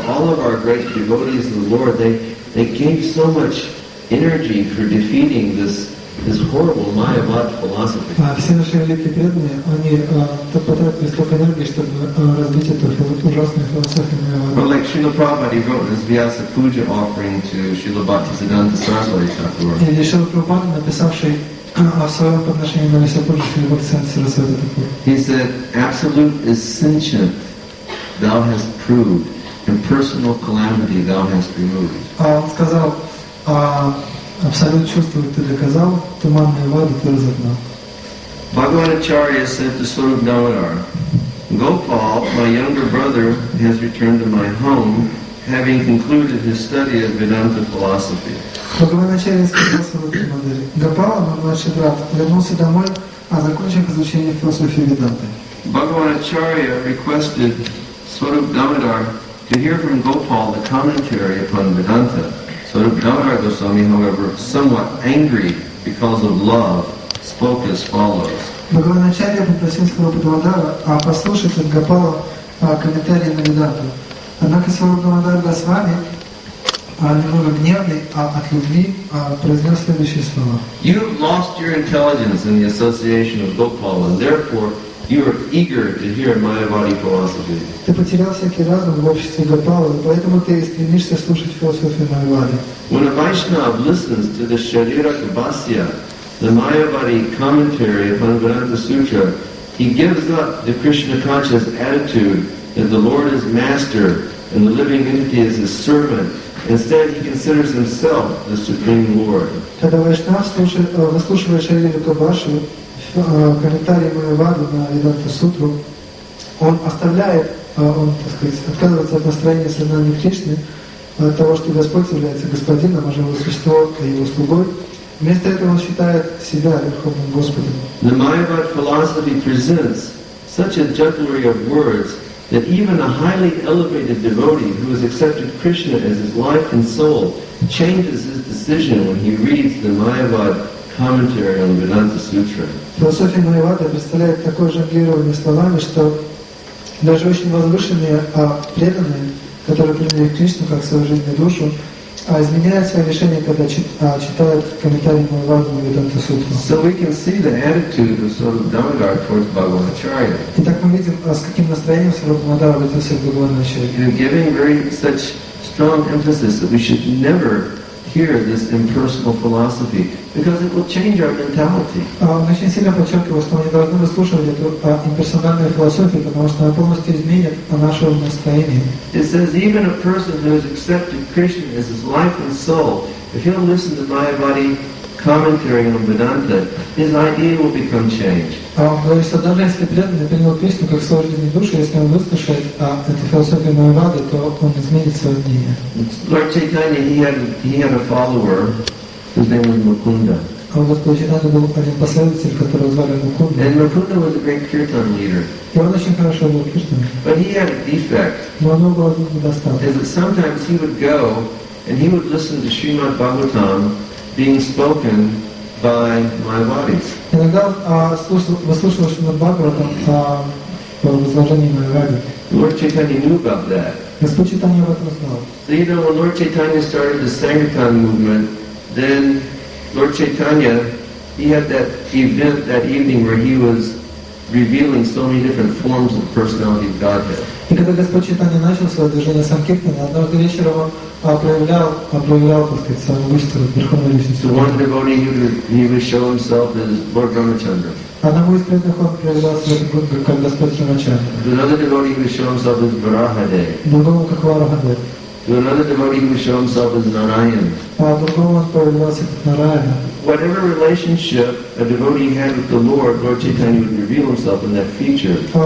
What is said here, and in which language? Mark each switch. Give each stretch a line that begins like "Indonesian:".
English: all of our great devotees of the Lord, they gave so much energy for defeating this horrible Mayavada philosophy.
Russian: Все наши великие преданные, они потратили столько энергии, чтобы разбить эту ужасную философию Майя-вада.
English: Well, like Srila Prabhupada, he wrote his Vyasa Puja offering to Srila Bhaktisiddhanta Saraswati Thakur.
Russian: И Шрила Прабхупада, написавший о своем подношении на Вяса Пуджа Шрила Бхактисиддханта Сарасвати Такура.
English: He said, absolute is sentient, thou hast proved, and personal calamity thou hast removed.
Russian: Он сказал, абсолют чувствует, ты доказал, туманную воду ты разогнал.
English: Bhagavatacharya said to Swarup Navadar, Gopal, my younger brother, has returned to my home, having concluded his study of Vedanta philosophy.
Russian: Bhagavatacharya сказал Swarup Navadar, Gopal, мой младший брат, вернулся домой, а закончил изучение философии Веданты.
English: Bhagavatacharya requested Swarup Navadar to hear from Gopal the commentary upon Vedanta. Swarup Navadar Goswami, however, somewhat angry because of love, spoke as follows.
Russian: Bhagavanacharya попросил Swarup Navadara послушать от Гопала комментарии на Веданту. Однако Swarup Navadara Goswami, немного гневный, от любви, произнес следующие слова.
English: You have lost your intelligence in the association of Gopala, and therefore you are eager to hear Mayavadi philosophy.
Russian: Ты потерял всякий разум в обществе Гопалы, поэтому ты стремишься слушать философию Майявады.
English: When a Vaishnava listens to the Shariraka-bhasya, the Mayavadi commentary upon Vedanta Sutra, he gives up the Krishna conscious attitude that the Lord is master and the living entity is his servant. Instead, he considers himself the supreme Lord.
Russian: Когда Вайшнав выслушивает Шарираку-бхашу, комментарии Майявады на Веданта Сутру, он оставляет, он, так сказать, отказывается от настроения сознания Кришны, от того, что Господь является Господином, а живое существо и Его слугой. Вместо этого он считает себя Верховным Господом.
English: The Mayavad philosophy presents such a jugglery of words that even a highly elevated devotee who has accepted Krishna as his life and soul changes his decision when he reads the Mayavad commentary on Vedanta Sutra.
Russian: Философия Майявады представляет такое жонглирование словами, что даже очень возвышенные преданные, которые приняли Кришну как свою жизнь и душу, изменяют свое решение, когда читают комментарии Майявады на Веданта Сутру.
English: So we can see the attitude of Swarup Navadar towards Bhagavatacharya.
Russian: Итак, мы видим, с каким настроением Swarup Navadar обратился к Бхагавадачарье.
English: Giving very such strong emphasis that we should never hear this impersonal philosophy, because it will change our mentality.
Russian: Очень сильно подчеркиваю, что мы не должны выслушивать эту имперсональную философию, потому что она полностью изменит наше настроение.
English: It says even a person who has accepted Krishna as his life and soul, if he'll listen to Mayavadi commentary on Vedanta, his idea will become changed.
Russian: Говорит, что даже если преданный принял Кришну как свою жизнь и душу, если он выслушает эту философию Майявады, то он изменит свое мнение.
English: Lord Chaitanya, he had a follower, his name was Mukunda.
Russian: А вот Господь Чайтанья был один последователь, которого звали Мукунда.
English: And Mukunda was a great kirtan leader.
Russian: И он очень хорошо был киртан.
English: But he had a defect.
Russian: Но у него был один недостаток.
English: Is that sometimes he would go and he would listen to Srimad Bhagavatam being spoken by Mayavadis.
Russian: Иногда выслушивал Шримад Бхагаватам по изложению Майявады.
English: Lord Chaitanya knew about that.
Russian: Господь Чайтанья об этом знал.
English: So you know, when Lord Chaitanya started the Sangirtan movement, then Lord Chaitanya, he had that event that evening where he was revealing so many different forms of personality of Godhead.
Russian: И когда Господь Читания начал свое движение Санкиртана, однажды вечером он проявлял, так сказать, свою высшую верховную личность. Одному из преданных он проявлял свою Гуру, как Господь Трамачандра. Другому как Варахадев.
English: To another devotee, he would show himself as Narayana. Whatever relationship a devotee had with the Lord, Lord Chaitanya would reveal himself in that feature.